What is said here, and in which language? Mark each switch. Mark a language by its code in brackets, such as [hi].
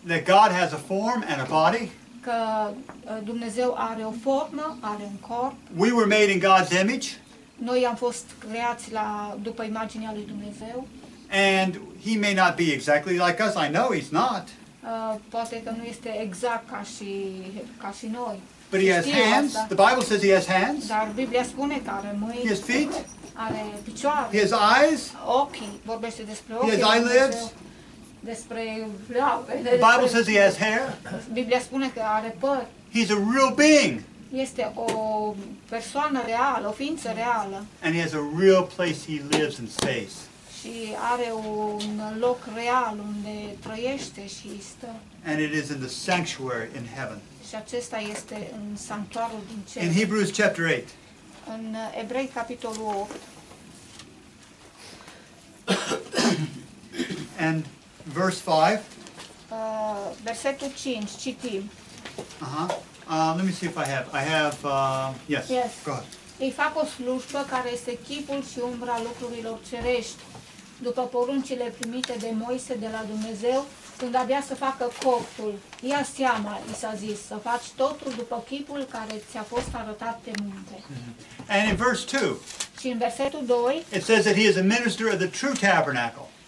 [en] That God has a form and a body. [ro] Că Dumnezeu are o formă, are un corp. [en] We were made in God's image. [ro] Noi am fost creați la după imaginea lui Dumnezeu. [en] And he may not be exactly like us. I know he's not. [ro] Poate că nu este exact ca și noi. [en] But he has hands. The Bible says he has hands. [ro] Dar Biblia spune că are mâini. [en] He has feet. [ro] Are picioare. [en] He has eyes. [ro] Ochi. Vorbește despre ochi. [en] He has eyelids. [ro] Despre labe. [en] The Bible says he has hair. [ro] Biblia spune că are păr. [en] He's a real being. [ro] Este o persoană reală, o ființă reală. [en] And he has a real place he lives in space. [ro] Și are un loc real unde trăiește și stă. [en] And it is in the sanctuary in heaven. [ro] Și acesta este în sanctuarul din cer. [en] In Hebrews chapter 8. [ro] În Evrei capitolul 8. [en] And verse 5. [ro] Versetul 5, citim. [en] Let me see if I have. Yes. Go ahead. [ro] Îi fac o slujbă care este chipul și umbra lucrurilor cerești, după poruncile primite de Moise de la Dumnezeu, când avea să facă corpul. Ia seama, i s-a zis, să faci totul după chipul care ți-a fost arătat pe munte. [en] Mm-hmm. And in verse 2. [ro] Și în versetul 2. [en] It says that he is a minister of the true tabernacle.